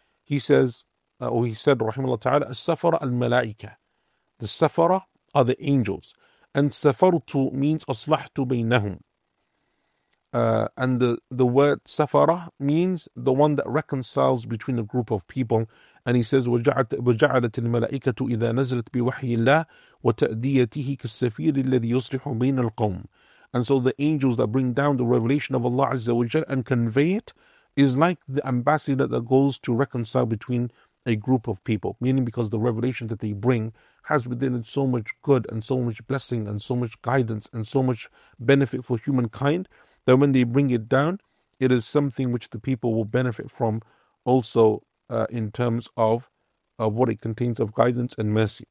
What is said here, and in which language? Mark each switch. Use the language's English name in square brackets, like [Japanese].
[English] He said, rahimahullah ta'ala, As-Safara al-Malaika. The Safara are the angels. And Safartu means [Arabic] Aslahtu baynahum. [English] And the word Safara means the one that reconciles between a group of people. And he says, [Arabic] وَجَعَلَتِ الْمَلَائِكَةُ إِذَا نَزَلَتْ بِوَحْيِ اللَّهِ وَتَأْدِيَتِهِ كَالسَّفِيرِ الَّذِي يُصْلِحُ بَيْنَ الْقَوْمِ. [English] And so the angels that bring down the revelation of Allah Azza wa Jal and convey it is like the ambassador that goes to reconcile between a group of people. Meaning because the revelation that they bring has within it so much good and so much blessing and so much guidance and so much benefit for humankind that when they bring it down, it is something which the people will benefit from also in terms of what it contains of guidance and mercy.